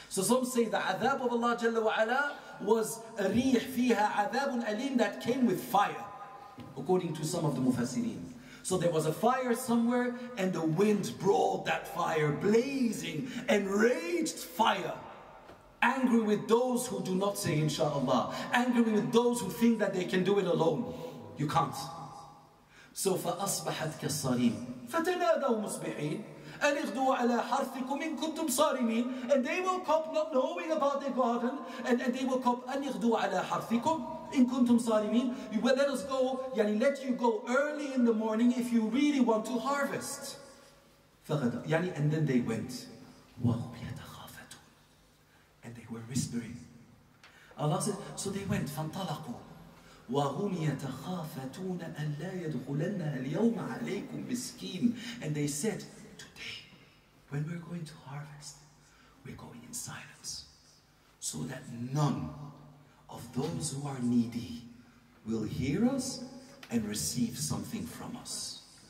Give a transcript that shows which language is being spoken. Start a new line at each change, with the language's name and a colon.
English: So some say the عذاب of Allah جل وعلا was a
Arabic: ريح فيها عذاب أليم,
English: that came with fire, according to some of the Mufassirin. So there was a fire somewhere and the wind brought that fire, blazing, enraged fire. Angry with those who do not say inshallah. Angry with those who think that they can do it alone. You can't.
Arabic: So فأصبحت كالصريم فتنادوا مصبحين أن اغدوا على حرثكم إن كنتم صارمين.
English: And they will come not knowing about their garden. And they will come
Arabic: أن اغدوا على حرثكم إن كنتم صارمين.
English: You will let us go, يعني let you go early in the morning if you really want to harvest.
Arabic: فغدا يعني
English: and then they went.
Arabic: وهم يتخافتون.
English: And they were whispering. Allah said, so they went.
Arabic: فانطلقوا. وَهُمْ يَتَخَافَتُونَ أَنْ لَا يَدْخُلَنَّا الْيَوْمَ عَلَيْكُمْ بِسْكِينَ
English: And they said, today, when we're going to harvest, we're going in silence, so that none of those who are needy will hear us and receive something from us.